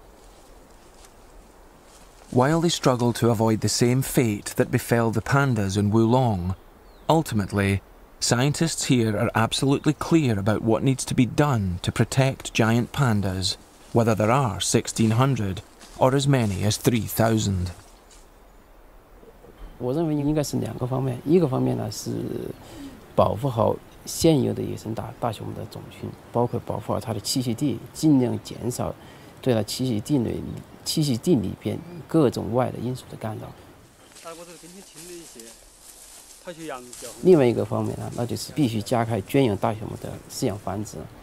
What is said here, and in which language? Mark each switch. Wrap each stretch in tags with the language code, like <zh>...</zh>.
<zh>大家知道，竹子开花是一个不可避免的过程，一般就是它是60到100年，它是一个周期，一个生命周期。这个时间现在没有一个统一的定论。</zh> <en>While they struggle to avoid the same fate that befell the pandas in Wulong, ultimately, scientists here are absolutely clear about what needs to be done to protect giant pandas, whether there are 1,600. Or as many as 3,000.</en> <zh>我认为应该是两个方面，一个方面呢是保护好现有的野生大熊的种群，包括保护好它的栖息地，尽量减少对它栖息地里边各种外的因素的干扰。另外一个方面呢，那就是必须加快圈养大熊的饲养繁殖。</zh>